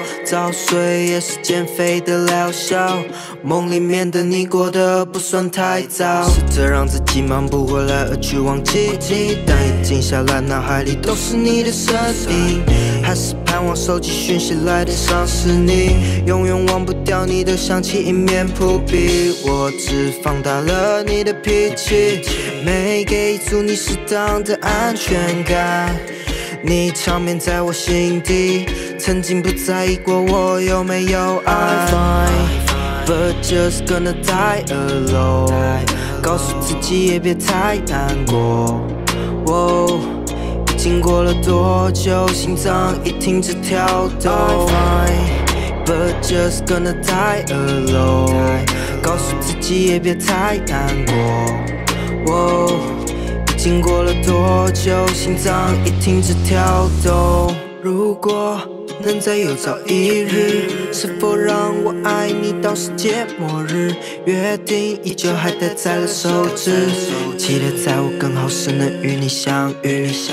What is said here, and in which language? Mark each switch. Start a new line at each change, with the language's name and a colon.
Chinese: 早睡也是减肥的疗效，梦里面的你过得不算太糟，试着让自己忙不过来而去忘记你，但一静下来脑海里都是你的声音，还是盼望手机讯息来的伤是你，永远忘不掉你的香气一面扑鼻，我只放大了你的脾气，没给足你适当的安全感，你长眠在我心底，曾经不在意过我有没有爱。
English: I'm fine, but just gonna die alone.
Chinese: 告诉自己也别太难过。 Whoa, 经过了多久，心脏已停止跳动。
English: I'm fine, but just gonna die alone.
Chinese: 告诉自己也别太难过。 Whoa,经过了多久，心脏已停止跳动，如果能再有早一日，是否让我爱你到世界末日，约定依旧还戴在了手指，期待在我更好时能与你相遇，